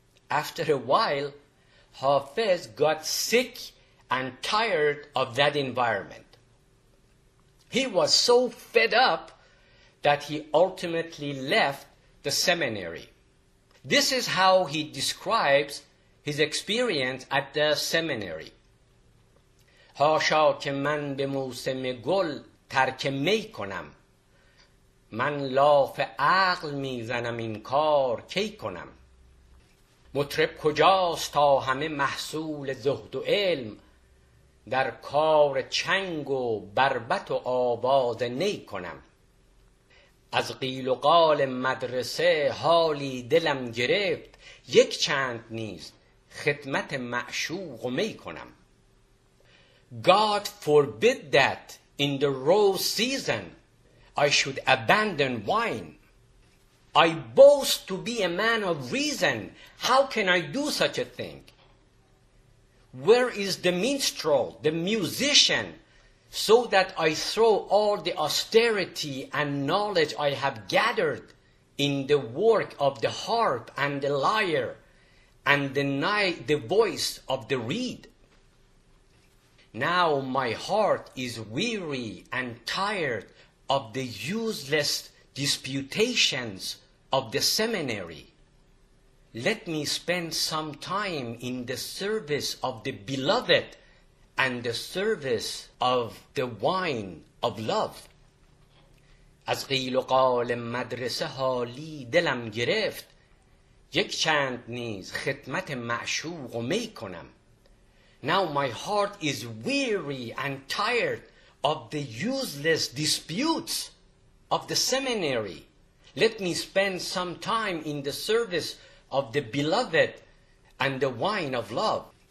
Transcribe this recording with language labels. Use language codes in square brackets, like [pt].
[en] After a while, Hafez got sick and tired of that environment. He was so fed up that he ultimately left the seminary. This is how he describes his experience at the seminary. [fa] هاشا که من به موسم گل ترک می کنم. من لاف عقل می زنم این کار کی کنم. مطرب کجاست تا همه محصول زهد و علم در کار چنگ و بربت و آواز نی کنم. از قیل و قال مدرسه حالی دلم گرفت یک چند نیز خدمت معشوق می کنم. [en] God forbid that in the rose season I should abandon wine. I boast to be a man of reason. How can I do such a thing? Where is the minstrel, the musician, so that I throw all the austerity and knowledge I have gathered in the work of the harp and the lyre and deny the voice of the reed? Now my heart is weary and tired of the useless disputations of the seminary. Let me spend some time in the service of the beloved and the service of the wine of love. [fa] از قیل و قال مدرسه حالی دلم گرفت یک چند نیز خدمت معشوق می کنم. [en] Now my heart is weary and tired of the useless disputes of the seminary. Let me spend some time in the service of the beloved and the wine of love.